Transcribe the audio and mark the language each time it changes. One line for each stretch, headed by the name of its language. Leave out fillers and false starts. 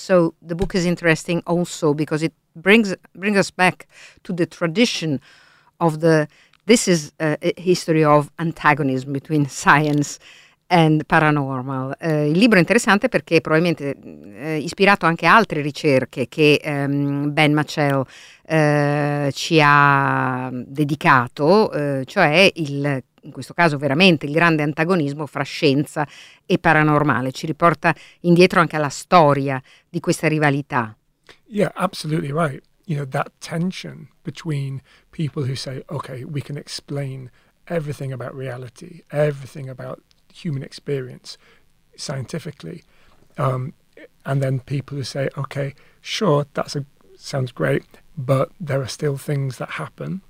English: So the book is interesting also because it brings us back to the tradition of the This is a history of antagonism between science and paranormal.
Italian: Il libro è interessante perché probabilmente ispirato anche a altre ricerche che Ben Machel ci ha dedicato, cioè in questo caso veramente il grande antagonismo fra scienza e paranormale. Ci riporta indietro anche alla storia di questa rivalità.
English: Yeah, absolutely right. That tension between people who say, okay, we can explain everything about reality, everything about human experience scientifically. And then people who say, okay, sure, that sounds great, but there are still things that happen.